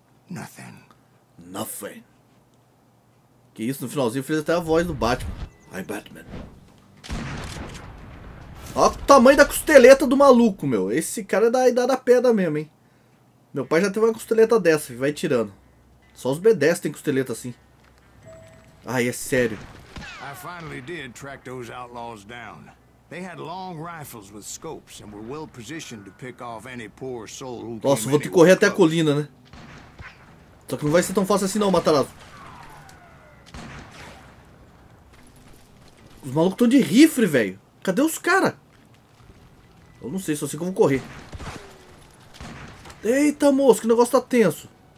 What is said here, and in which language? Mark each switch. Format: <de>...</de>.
<pt>Nothing. Que isso, no finalzinho fez até a voz do Batman.</pt> <en>I'm Batman.</en> <pt>Olha o tamanho da costeleta do maluco, meu. Esse cara é da idade da pedra mesmo, hein. Meu pai já teve uma costeleta dessa, vai tirando. Só os B10 tem costeleta assim. Ai, é sério.</pt> <en>I finally did track those outlaws down. They had long rifles with scopes and were well positioned to pick off any poor soul who...</en> <pt>Nossa, vou ter que correr até a colina, né? Só que não vai ser tão fácil assim não, Matarazzo. Os malucos estão de rifle, velho. Cadê os caras? Eu não sei, só sei que eu vou correr. Eita, moço, que negócio tá tenso.</pt>